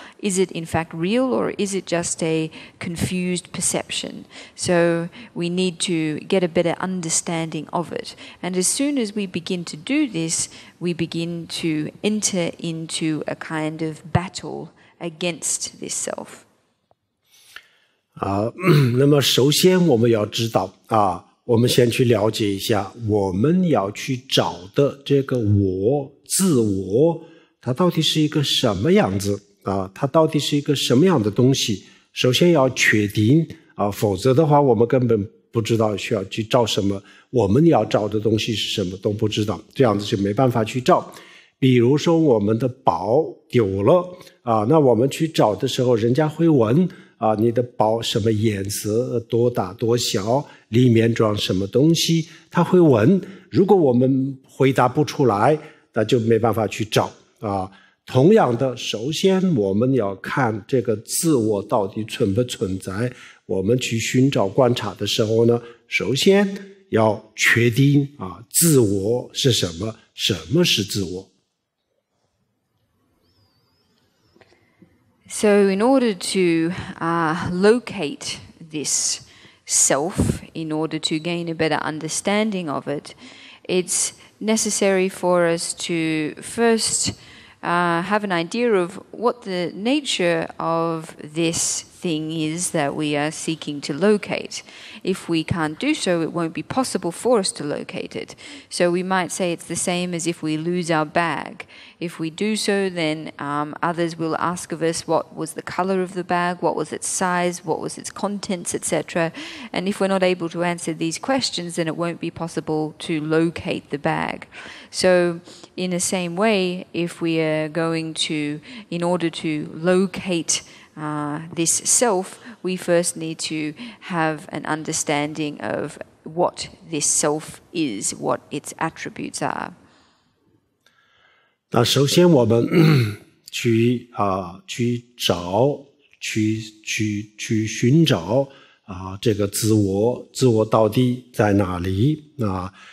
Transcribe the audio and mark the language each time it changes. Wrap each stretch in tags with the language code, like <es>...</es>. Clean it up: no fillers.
<en>Is it in fact real, or is it just a confused perception? So we need to get a better understanding of it. And as soon as we begin to do this, we begin to enter into a kind of battle against this self.</en> <zh>那么首先我们要知道啊，我们先去了解一下，我们要去找的这个我，自我，它到底是一个什么样子啊？它到底是一个什么样的东西？首先要确定啊，否则的话，我们根本不知道需要去找什么，我们要找的东西是什么都不知道，这样子就没办法去找。比如说我们的包丢了啊，那我们去找的时候，人家会问啊，你的包什么颜色，多大多小，里面装什么东西，他会问。如果我们回答不出来，那就没办法去找啊。同样的，首先我们要看这个自我到底存不存在。我们去寻找观察的时候呢，首先要确定啊，自我是什么，什么是自我。</zh> <en>So in order to locate this self, in order to gain a better understanding of it, it's necessary for us to first have an idea of what the nature of this thing is that we are seeking to locate. If we can't do so, it won't be possible for us to locate it. So we might say it's the same as if we lose our bag. If we do so, then others will ask of us what was the color of the bag, what was its size, what was its contents, etc. And if we're not able to answer these questions, then it won't be possible to locate the bag. So in the same way, if we are going to, in order to locate this self, we first need to have an understanding of what this self is, what its attributes are.</en> <zh>那首先我们去啊去找去寻找啊这个自我到底在哪里啊？</zh>